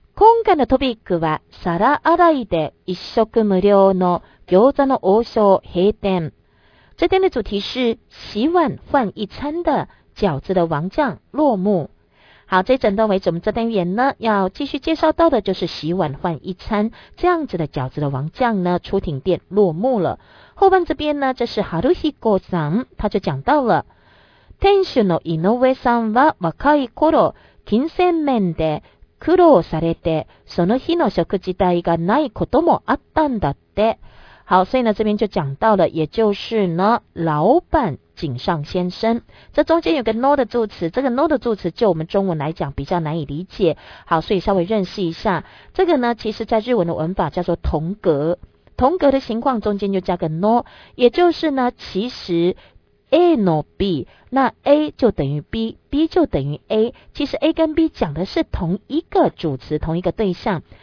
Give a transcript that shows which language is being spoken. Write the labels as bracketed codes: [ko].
[ja] 今回のトピックは、皿洗いで一食無料の餃子の王将閉店。 [zh] 这店的主题是洗碗换一餐的饺子的王将落幕。好，这整段为止我们这单元呢要继续介绍到的就是洗碗换一餐这样子的饺子的王将呢出庭店落幕了。后半这边呢这是 Haruhiko さん他就讲到了。 [ja] 店主の井上さんは若い頃金銭面で苦労されてその日の食事代がないこともあったんだって。 [zh] 好，所以呢这边就讲到了，也就是呢老板井上先生，这中间有个 no 的助词，这个 no 的助词就我们中文来讲比较难以理解。好，所以稍微认识一下，这个呢其实在日文的文法叫做同格，同格的情况中间就加个 no， 也就是呢其实 A no B， 那 A 就等于 B，B 就等于 A， 其实 A 跟 B 讲的是同一个主词，同一个对象。